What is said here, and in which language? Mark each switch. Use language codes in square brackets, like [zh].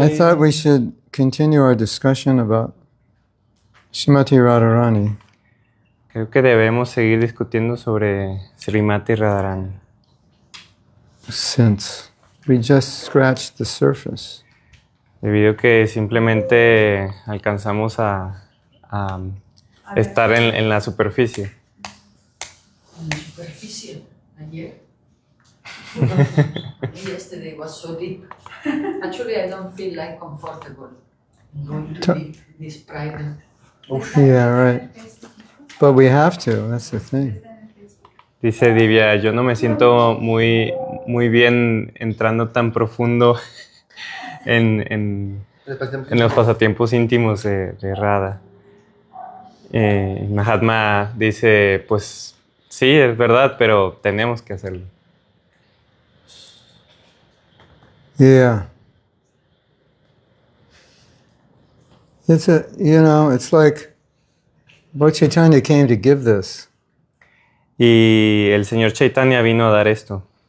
[en] I thought we should continue our discussion about Srimati Radharani. [es] Creo que debemos seguir discutiendo sobre Srimati Radharani. [en] Since we just scratched the surface. [es] Debido a que simplemente alcanzamos a estar en la superficie. ¿En la superficie? ¿Ayer? [en] Yesterday was so deep. Actually, I don't feel like comfortable going to be this private. Yeah, right. But we have to, that's the thing. [es] Dice Divya, yo no me siento muy bien entrando tan profundo en los pasatiempos íntimos de Radha. Mahatma dice, pues sí, es verdad, pero tenemos que hacerlo. [en] Yeah. It's a, you know, it's like Lord Chaitanya came to give this. [es] Y el señor Chaitanya vino a dar esto.